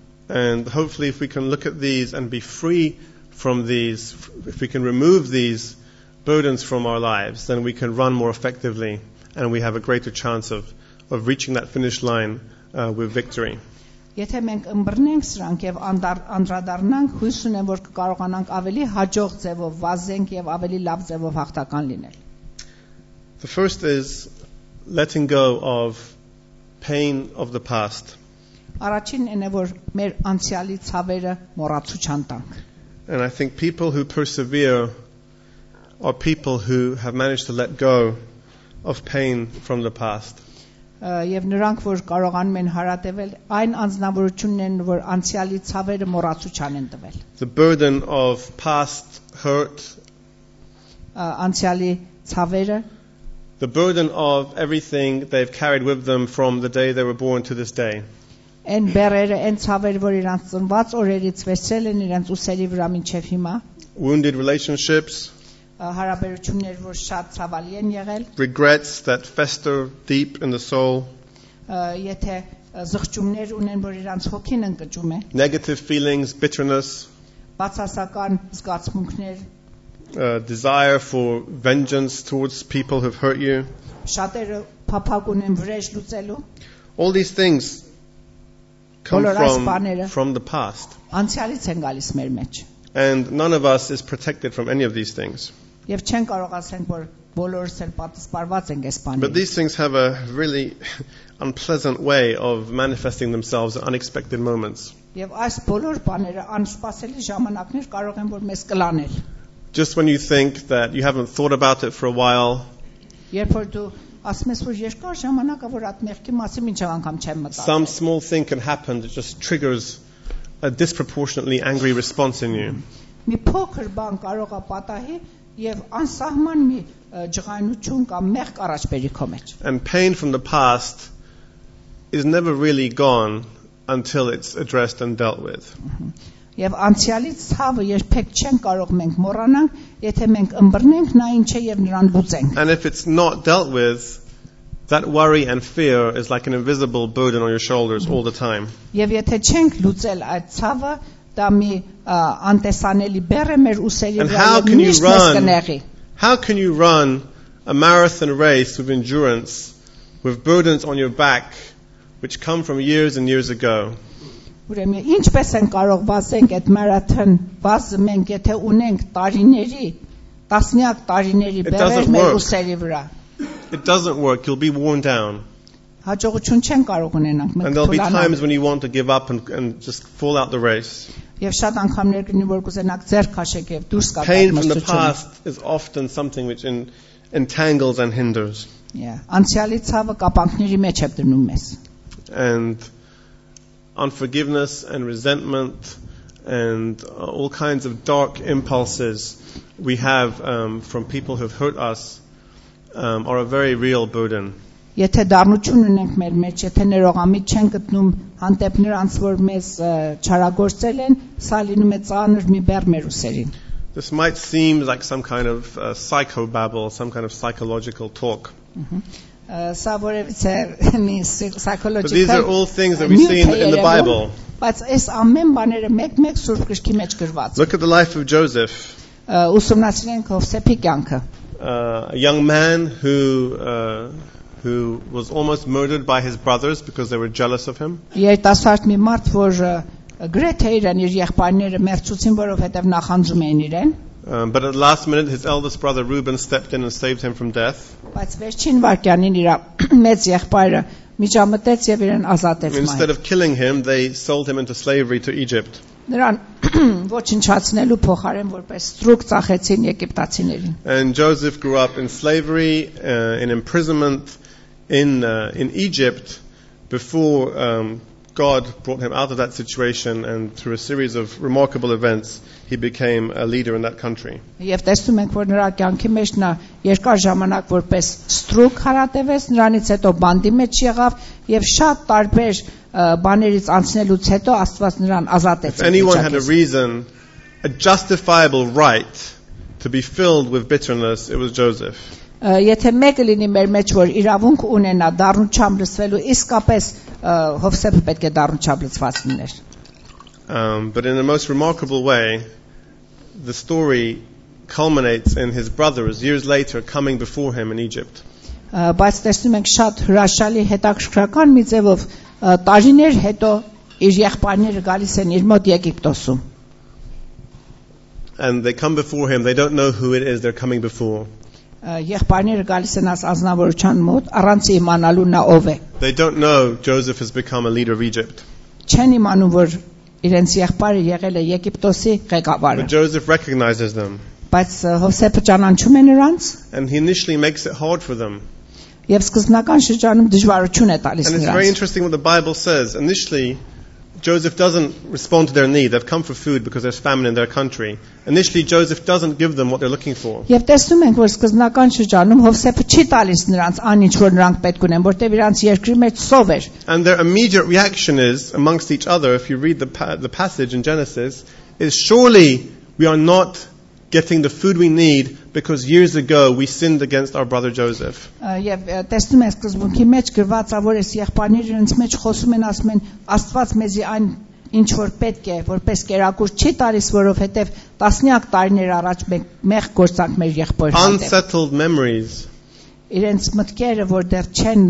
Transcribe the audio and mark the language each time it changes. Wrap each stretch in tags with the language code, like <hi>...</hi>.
<en>And hopefully if we can look at these and be free from these, if we can remove these burdens from our lives, then we can run more effectively and we have a greater chance of of reaching that finish line with victory.</en> <hy>Եթե մենք ըմբռնենք սրանք եւ անդրադառնանք, հույս ունեմ, որ կկարողանանք ավելի հաջող ձևով վազենք եւ ավելի լավ ձևով հաղթական լինել.</hy> <en>The first is letting go of pain of the past.</en> <hy>Առաջինն է, որ մեր անցյալի ցավերը մոռացության տանք.</hy> <en>And I think people who persevere are people who have managed to let go of pain from the past.</en> <hy>Եվ նրանք, որ կարողանում են հարատևել, այն անձնավորությունն են, որ անցյալի ցավերը մոռացության են տվել.</hy> <en>The burden of past hurt.</en> <hy>Անցյալի ցավերը.</hy> <en>The burden of everything they've carried with them from the day they were born to this day.</en> <hy>Այն բերերը, այն ցավերը, որ իրենց ծնված օրերից վերցրել են իրենց ուսերի վրա մինչև հիմա.</hy> <en>Wounded relationships.</en> <hy>Հարաբերություններ, որ շատ ցավալի են եղել.</hy> <en>Regrets that fester deep in the soul.</en> <hy>Եթե զղջումներ ունեն, որ իրանց հոգին ընկճում է.</hy> <en>Negative feelings, bitterness.</en> <hy>Բացասական զգացմունքներ.</hy> <en>Desire for vengeance towards people who've hurt you.</en> <hy>Շատերը փափակ ունեն վրեժ լուծելու.</hy> <en>All these things come from the past.</en> <hy>Անցյալից են գալիս մեր մեջ.</hy> <en>And none of us is protected from any of these things.</en> <hy>Եվ չեն կարող ասենք, որ բոլորս էլ պատսպարված ենք այս բանից.</hy> <en>But these things have a really unpleasant way of manifesting themselves at unexpected moments.</en> <hy>Եվ այս բոլոր բաները անսպասելի ժամանակներ կարող են որ մեզ կլանել.</hy> <en>Just when you think that you haven't thought about it for a while.</en> <hy>Երբ որ դու ասում ես, որ երկար ժամանակ է որ այդ մեղքի մասին մինչև անգամ չեմ մտածել.</hy> <en>Some small thing can happen that just triggers a disproportionately angry response in you.</en> <hy>Մի փոքր բան կարող է պատահի եւ անսահման մի ջղայնություն կամ մեղք առաջ բերի քո մեջ.</hy> <en>And pain from the past is never really gone until it's addressed and dealt with.</en> <hy>Եվ անցյալի ցավը երբեք չեն կարող մենք մոռանանք, եթե մենք ըմբռնենք նա ինչ է եւ նրան լուծենք.</hy> <en>And if it's not dealt with, that worry and fear is like an invisible burden on your shoulders all the time.</en> <hy>Եվ եթե չենք լուծել այդ ցավը, դա մի անտեսանելի բեռ է մեր ուսերի վրա, միշտ կնեղի։</hy> <en>How can you run a marathon race with endurance with burdens on your back which come from years and years ago?</en> <hy>Ուրեմն ինչպես են կարող վազենք այդ մարաթոն վազը մենք, եթե ունենք տարիների, տասնյակ տարիների բեռ մեր ուսերի վրա։</hy> <en>It doesn't work. You'll be worn down.</en> <hy>Հաջողություն չեն կարող ունենալ։</hy> <en>And there'll be times when you want to give up and just fall out the race.</en> <hy>Եվ շատ անգամներ կլինի, որ կուզենաք ձեռք քաշեք եւ դուրս գաք մրցությունից։</hy> <en>Pain from the past is often something which entangles and hinders. Yeah.</en> <hy>Անցյալի ցավը կապանքների մեջ է դնում մեզ։</hy> <en>And unforgiveness and resentment and all kinds of dark impulses we have from people who've hurt us are a very real burden.</en> <hy>Եթե դառնություն ունենք մեր մեջ, եթե ներողամիտ չեն գտնում հանդեպ նրանց, որ մեզ չարագործել են, սա լինում է ծանր մի բեռ մեր ուսերին։</hy> <en>This might seem like some kind of psychobabble, some kind of psychological talk.</en> <hy>Սա որևիցե մի</hy> <en>psychological talk. But these are all things that we see in the Bible.</en> <hy>Բայց այս ամեն բաները մեկ-մեկ Սուրբ Գրքի մեջ գրված են.</hy> <en>Look at the life of Joseph.</en> <hy>Ուսումնասիրենք Հովսեփի կյանքը.</hy> <en>A young man who was almost murdered by his brothers because they were jealous of him.</en> <hy>Երիտասարդ մի մարդ, որ գրեթե իրեն իր եղբայրները մերցուցին, որովհետև նախանձում էին իրեն.</hy> <en>But at the last minute his eldest brother Reuben stepped in and saved him from death.</en> <hy>Բայց վերջին վարկյանին իր մեծ եղբայրը միջամտեց եւ իրեն ազատեց մայրը.</hy> <en>Instead of killing him, they sold him into slavery to Egypt.</en> <hy>Նրան ոչնչացնելու փոխարեն որպես ստրուկ ծախեցին եգիպտացիներին։</hy> <en>And Joseph grew up in slavery, in imprisonment in Egypt before God brought him out of that situation and through a series of remarkable events he became a leader in that country.</en> <hy>Եվ տեսնում ենք, որ նրա կյանքի մեջ նա երկար ժամանակ որպես ստրուկ հարատևեց, նրանից հետո բանդի մեջ եղավ եւ շատ տարբեր բաներից անցնելուց հետո Աստված նրան ազատեց։</hy> <en>If anyone had a reason, a justifiable right to be filled with bitterness, it was Joseph.</en> <hy>Եթե մեկը լինի մեր մեջ, որ իրավունք ունենա դառնությամբ լցվելու, իսկապես Հովսեփը պետք է դառնությամբ լցված լիներ։</hy> <en>But in the most remarkable way, the story culminates in his brothers years later coming before him in Egypt.</en> <hy>բայց տեսնում ենք շատ հրաշալի հետաքրքրական մի ձևով տարիներ հետո իր եղբայրները գալիս են իր մոտ Եգիպտոսում.</hy> <en>And they come before him. They don't know who it is they're coming before.</en> <hy>Եղբայրները գալիս են աս ազնվորության մոտ, առանց իմանալու նա ով է.</hy> <en>They don't know Joseph has become a leader of Egypt.</en> <hy>Չեն իմանում, որ իրենց եղբայրը եղել է Եգիպտոսի ղեկավարը.</hy> <en>But Joseph recognizes them.</en> <hy>Բայց Հոսեփը ճանաչում է նրանց.</hy> <en>And he initially makes it hard for them.</en> <hy>Եվ սկզբնական շրջանում դժվարություն է տալիս նրանց.</hy> <en>And it's very interesting what the Bible says. Initially, Joseph doesn't respond to their need. They've come for food because there's famine in their country. Initially, Joseph doesn't give them what they're looking for.</en> <hy>Եվ տեսնում ենք, որ սկզբնական շրջանում Հովսեփը չի տալիս նրանց անիչ, որ նրանք պետք ունեն, որտեղ իրանց երկրի մեջ սով էր.</hy> <en>And their immediate reaction is amongst each other, if you read the passage in Genesis, is surely we are not getting the food we need because years ago we sinned against our brother Joseph.</en> <hy>Եվ տեսնում ենք սկզբունքի մեջ գրված է, որ այս եղբայրները ինձ մեջ խոսում են, ասում են, Աստված մեզի այն ինչ որ պետք է, որպես կերակուր չի տալիս, որովհետև տասնյակ տարիներ առաջ մենք մեղ գործանք մեր եղբայրների հետ.</hy> <en>Unsettled memories.</en> <hy>Իրենց մտքերը, որ դեռ չեն</hy>